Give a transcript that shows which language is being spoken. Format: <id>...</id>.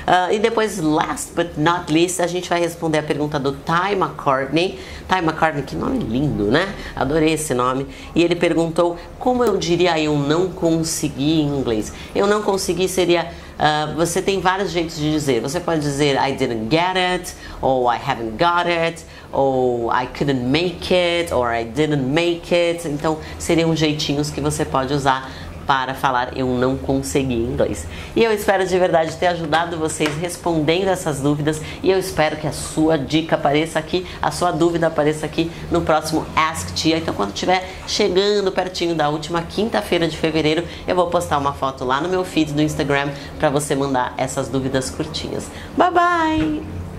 <pt>E depois,</pt> <en>last but not least,</en> <pt>a gente vai responder a pergunta do Ty McCartney. Ty McCartney, que nome lindo, né? Adorei esse nome. E ele perguntou como eu diria eu não consegui em inglês. Eu não consegui seria. Você tem vários jeitos de dizer. Você pode dizer</pt> <en>I didn't get it, ou I haven't got it, ou I couldn't make it, or I didn't make it.</en> <pt>Então, seriam jeitinhos que você pode usar para falar eu não consegui em inglês. E eu espero de verdade ter ajudado vocês respondendo essas dúvidas. E eu espero que a sua dica apareça aqui, a sua dúvida apareça aqui no próximo Ask Tia. Então, quando estiver chegando pertinho da última quinta-feira de fevereiro, eu vou postar uma foto lá no meu feed do Instagram para você mandar essas dúvidas curtinhas. Bye bye!</pt>